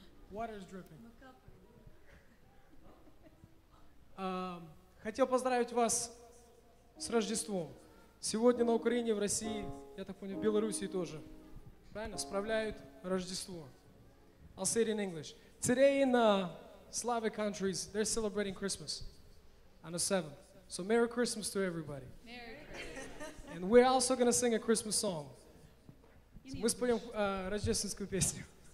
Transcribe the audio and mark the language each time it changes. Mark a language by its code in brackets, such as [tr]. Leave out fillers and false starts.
[en] Water is dripping. [ru] Хотел поздравить вас с Рождеством. Сегодня на Украине, в России, я так понял, в Белоруссии тоже, правильно, справляют Рождество. [en] I'll say it in English. Today in Slavic countries, they're celebrating Christmas on the 7th. So Merry Christmas to everybody. Merry Christmas. And we're also going to sing a Christmas song. [ru] Мы споём рождественскую песню.